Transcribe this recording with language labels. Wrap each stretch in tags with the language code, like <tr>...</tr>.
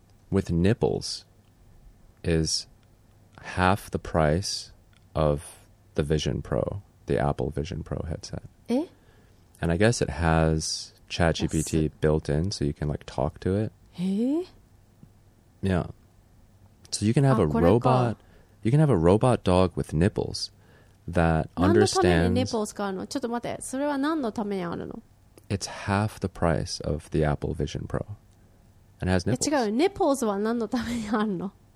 <en>With nipples is half the price of the Vision Pro, the Apple Vision Pro headset. Eh? And I guess it has ChatGPT built in, so you can like talk to it. Eh? Yeah. So you can have a robot dog with nipples that understands.</en> <ja>何のためにニップルがあるの？ちょっと待って、それは何のためにあるの？</ja> <en>It's half the price of the Apple Vision Pro. And it has nipples.</en> <ja>違う、ニップルは何のためにあるの？</ja>